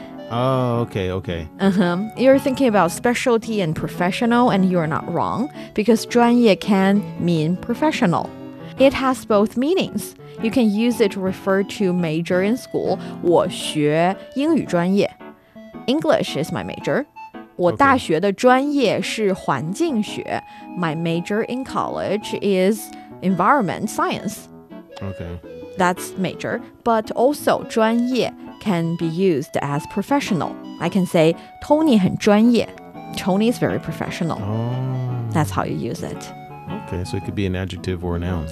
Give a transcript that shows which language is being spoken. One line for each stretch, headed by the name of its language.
English: Oh, okay, okay. You're thinking about specialty and professional, and you're not wrong, because 专业 can mean professional. It has both meanings. You can use it to refer to major in school.
Chinese: 我学英语专业.
English: English is my major.
Chinese: 我大学的专业是环境学.
English: My major in college is environment science. Okay. that's major, but also 专业 can be used as professional. I can say Tony
Chinese: 很专业
English: Tony is very professional. Oh. That's how you use it. Okay, so it could be an adjective or a noun.